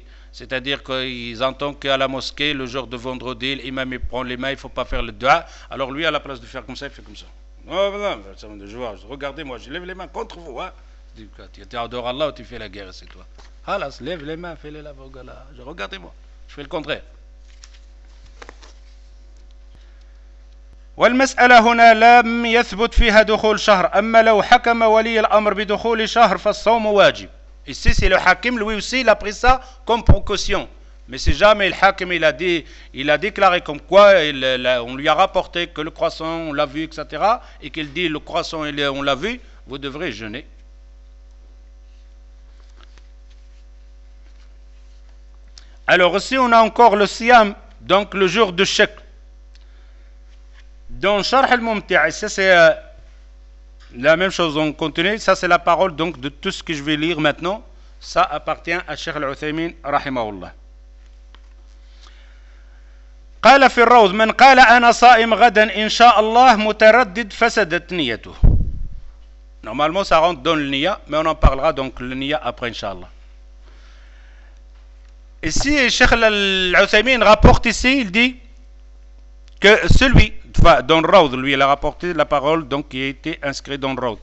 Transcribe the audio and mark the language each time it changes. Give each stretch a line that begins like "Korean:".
French: C'est-à-dire qu'ils entendent qu'à la mosquée, le jour de vendredi, l'imam prend les mains, il ne faut pas faire le dua. Alors lui, à la place de faire comme ça, il fait comme ça. Oh, madame, regardez-moi, je lève les mains contre vous, Tu adores Allah ou tu fais la guerre, c'est toi. Halas, lève les mains, fais les lavogala. Regardez-moi, je fais le contraire.
Arabic: والمسألة هنا لم يثبت فيها دخول شهر. أما لو حكم ولي الأمر بدخول شهر فالصوم واجب.
French: Ici, c'est le hakim, lui aussi, il a pris ça comme précaution. Mais si jamais le hakim, il a déclaré comme quoi, on lui a rapporté que le croissant, on l'a vu, etc. Et qu'il dit, le croissant, on l'a vu, vous devrez jeûner. Alors aussi, on a encore le siyam, donc le jour de shakl. Dans Sharh al-Mumti'a, ça c'est la même chose en continu, ça c'est la parole donc de tout ce que je vais lire maintenant, ça appartient à Cheikh Al-Uthaymin, rahimahullah.
Arabic: قال في الروض من قال أنا صائم غدا إن شاء الله متردد فسدت نيته.
French: Normalement ça rentre dans le niya, mais on en parlera donc le niya après Inch'Allah. Ici, Cheikh Al-Uthaymin rapporte ici, il dit que celui, enfin, dans Raud, lui, il a rapporté la parole donc, qui a été inscrite dans Raud.